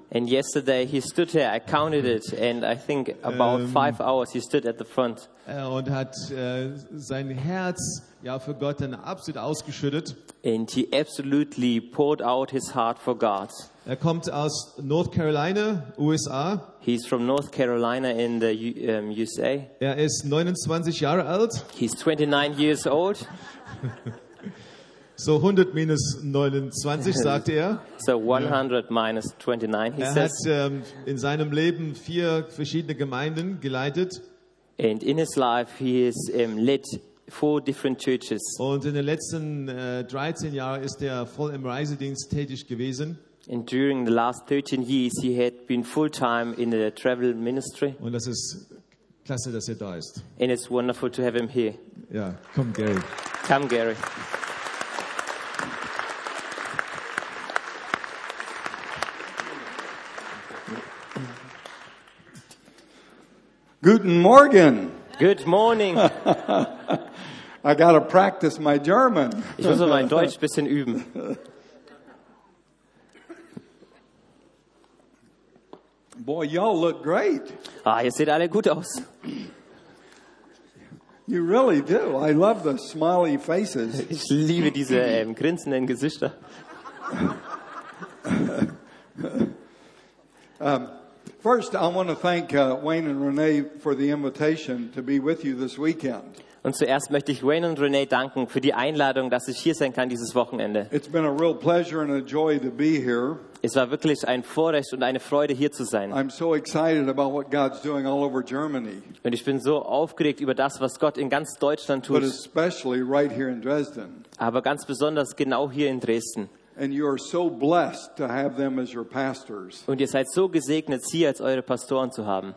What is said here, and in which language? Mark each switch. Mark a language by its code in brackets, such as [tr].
[en] And yesterday he stood here, I counted it, and I think about 5 hours he stood at the front. [de] Und hat sein Herz ja für Gott dann absolut ausgeschüttet. [en] And he absolutely poured out his heart for God. [de] Er kommt aus North Carolina, USA. [en] He's from North Carolina in the USA. [de] Er ist 29 Jahre alt. [en] He's 29 years old. [de] So 100 minus 29, sagt er. [en] So 100 minus 29, he says. [de] Er hat in seinem Leben 4 verschiedene Gemeinden geleitet. [en] And in his life he has led 4 different churches. [de] Und in den letzten 13 Jahren ist er voll im Reisedienst tätig gewesen. [en] And during the last 13 years he had been full-time in the travel ministry. [de] Und das ist klasse, dass er da ist. [en] And it's wonderful to have him here. [de] Ja, komm Gary. [en] Come Gary. [de] Guten Morgen. [en] Good morning. I gotta practice my German. [de] Ich muss mein Deutsch ein bisschen üben. [en] Boy, y'all look great. [de] Ah, ihr seht alle gut aus. [en] You really do. I love the smiley faces. [de] Ich liebe diese grinsenden Gesichter. [en] First, I want to thank Wayne and Renee for the invitation to be with you this weekend. [de] Und zuerst möchte ich Wayne und Renee danken für die Einladung, dass ich hier sein kann dieses Wochenende. [en] It's been a real pleasure and a joy to be here. [de] Es war wirklich ein Vorrecht und eine Freude hier zu sein. [en] I'm so excited about what God's doing all over Germany. [de] Und ich bin so aufgeregt über das, was Gott in ganz Deutschland tut. [en] But especially right here in Dresden. [de] Aber ganz besonders genau hier in Dresden. [en] And you are so blessed to have them as your pastors. [de] Und ihr seid so gesegnet, sie als eure Pastoren zu haben.